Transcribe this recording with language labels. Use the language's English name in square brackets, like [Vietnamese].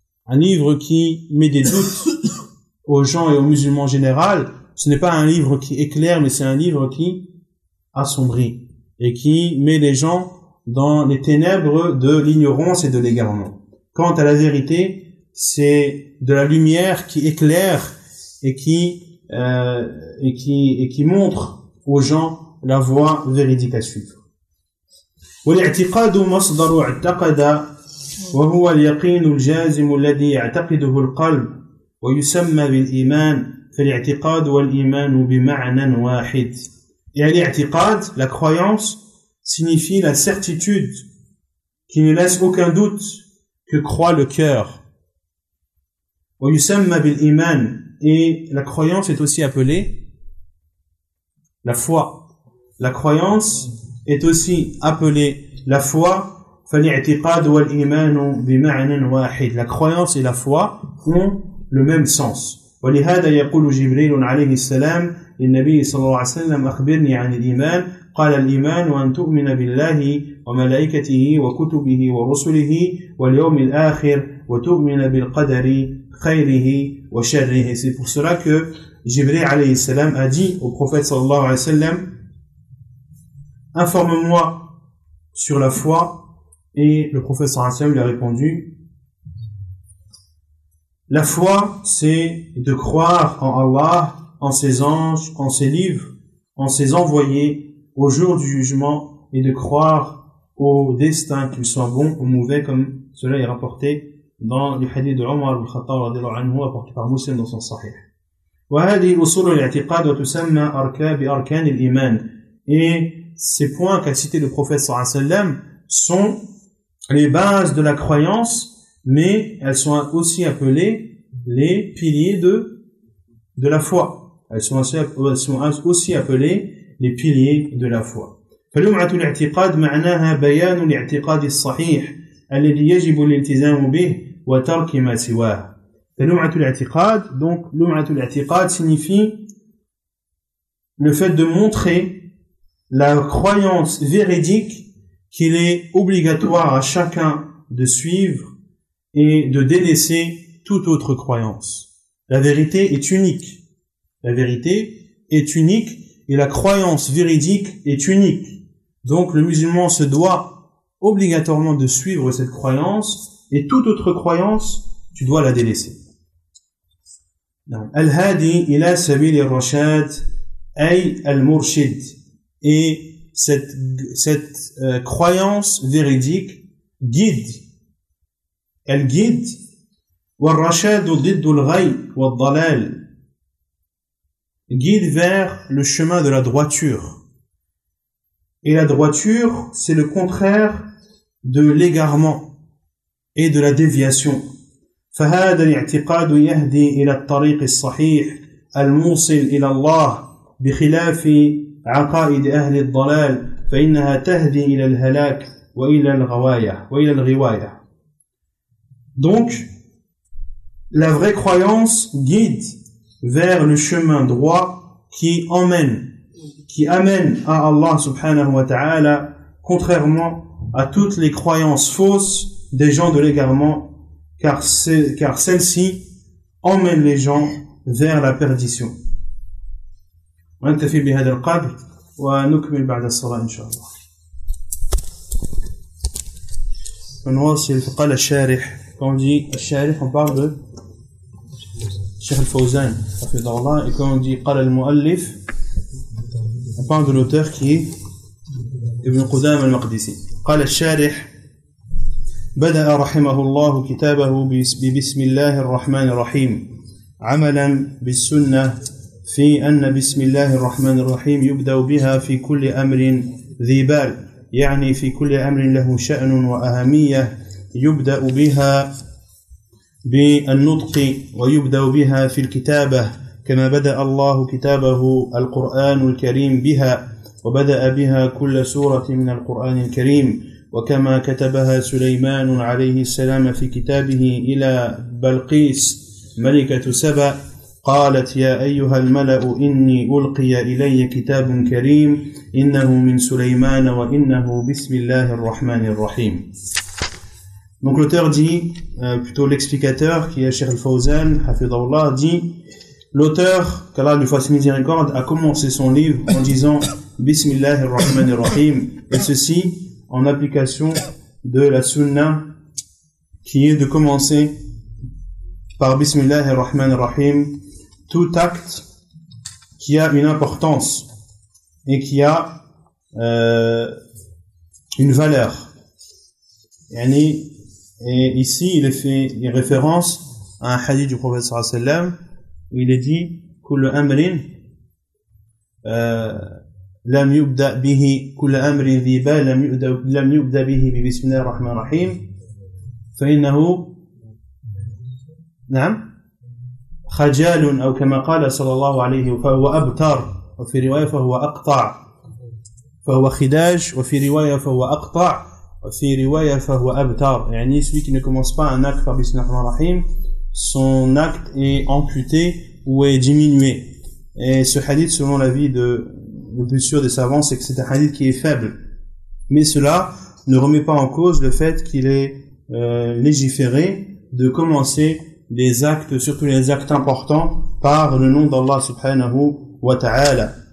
[French] Un livre qui met des doutes aux gens et aux musulmans en général, ce n'est pas un livre qui éclaire, mais c'est un livre qui assombrit et qui met les gens dans les ténèbres de l'ignorance et de l'égarement. Quant à la vérité, c'est de la lumière qui éclaire et qui montre aux gens la voie véridique à suivre. [Arabic] والاعتقاد مصدر اعتقد وهو اليقين الجازم الذي يعتقده القلب ويسمى بالإيمان. فالاعتقاد والإيمان بمعنى واحد. [French] Et l'i'tiqad, la croyance, signifie la certitude qui ne laisse aucun doute que croit le cœur. [Arabic] ويسمى بالإيمان. [French] Et la croyance est aussi appelée la foi. La croyance est aussi appelée la foi. [Arabic] فالاعتقاد والإيمان بمعنى واحد. [French] La croyance et la foi ont le même sens. [Arabic] ولهذا يقول جبريل عليه السلام للنبي صلى الله عليه وسلم أخبرني عن الإيمان قال الإيمان وأن تؤمن بالله وملائكته وكتبه ورسله واليوم الآخر وتؤمن بالقدر خيره wa sharrihi. [French] C'est pour cela que Jibril alayhi salam a dit au prophète sallallahu alayhi wa sallam, informe-moi sur la foi. Et le prophète sallallahu alayhi wa sallam lui a répondu, la foi, c'est de croire en Allah, en ses anges, en ses livres, en ses envoyés, au jour du jugement, et de croire au destin, qu'il soit bon ou mauvais, comme cela est rapporté dans le hadith de Omar al-Khattab, radiallahu anhu, apporté par Muslim dans son sahih. [Arabic] وهذه أصول الاعتقاد وتسمى أركان الإيمان. [French] Et ces points qu'a cité le prophète [Arabic] صلى الله عليه وسلم [French] sont les bases de la croyance, mais elles sont aussi appelées les piliers de la foi. Elles sont aussi appelées les piliers de la foi. [Arabic] فلمعة الاعتقاد معناها بيان الاعتقاد الصحيح الذي يجب الالتزام به وترك ما سواه. [French] Lum'atul-i'tiqad signifie le fait de montrer la croyance véridique qu'il est obligatoire à chacun de suivre et de délaisser toute autre croyance. La vérité est unique et la croyance véridique est unique. Donc le musulman se doit obligatoirement de suivre cette croyance et toute autre croyance, tu dois la délaisser. [Arabic] الهادي إلى سبيل الرشاد أي المرشد. [French] Et cette croyance véridique guide. Elle guide. [Arabic] والرشاد ضد الغي والضلال. [French] Guide vers le chemin de la droiture. Et la droiture, c'est le contraire de l'égarement et de la déviation. [Arabic] فهذا الاعتقاد يهدي إلى الطريق الصحيح الموصل إلى الله بخلاف عقائد أهل الضلال فإنها تهدي إلى الهلاك وإلى الغواية وإلى الغواية. [French] Donc, la vraie croyance guide vers le chemin droit qui amène à Allah subhanahu wa ta'ala, contrairement à toutes les croyances fausses des gens de l'égarement, car celle-ci emmène les gens vers la perdition. On te fait [Arabic] bihad al-qabr, wa nukmil ba'd al-salah, inshallah. [French] On voit si il faut qu'à la charih. Quand on dit charih, on parle de Cheikh al-Fawzan, rahimahullah. Et quand on dit qu'à al-mu'allif, on parle de l'auteur qui est Ibn Qudam al-Maqdisi. Qu'à la charih. [Arabic] بدأ رحمه الله كتابه ببسم الله الرحمن الرحيم عملا بالسنة في أن بسم الله الرحمن الرحيم يبدأ بها في كل أمر ذي بال، يعني في كل أمر له شأن وأهمية، يبدأ بها بالنطق ويبدأ بها في الكتابة، كما بدأ الله كتابه القرآن الكريم بها، وبدأ بها كل سورة من القرآن الكريم، وكما كتبها سليمان عليه السلام في كتابه إلى بلقيس ملكة سبأ قالت يا أيها الملأ إني ألقي إلي كتاب كريم إنه من سليمان وإنه بسم الله الرحمن الرحيم. [French] Donc l'auteur dit, plutôt l'explicateur qui est Cheikh Al-Fawzan, [Arabic] حفظه الله, [French] dit l'auteur, qu'Allah lui fasse miséricorde, a commencé son livre en disant [Arabic] بسم الله الرحمن الرحيم, [French] et ceci en application de la sunna qui est de commencer par Bismillah ar-Rahman ar-Rahim tout acte qui a une importance et qui a une valeur. Et ici, il fait une référence à un hadith du prophète sallallahu alayhi wa sallam où il est dit « [Arabic] Kullu amrin لم يبدا به كل امر ذي بال لم يبدا به بسم الله الرحمن الرحيم فانه نعم خجال او كما قال صلى الله عليه فهو ابتر وفي روايه فهو اقطع فهو خداج وفي روايه فهو اقطع وفي روايه فهو ابتر يعني [French] celui qui ne commence pas un acte par بسم الله الرحمن الرحيم son acte est amputé ou est diminué. Et ce hadith, selon l'avis de le plus sûr des savants, c'est que c'est un hadith qui est faible. Mais cela ne remet pas en cause le fait qu'il est légiféré de commencer les actes, surtout les actes importants, par le nom d'Allah subhanahu wa ta'ala.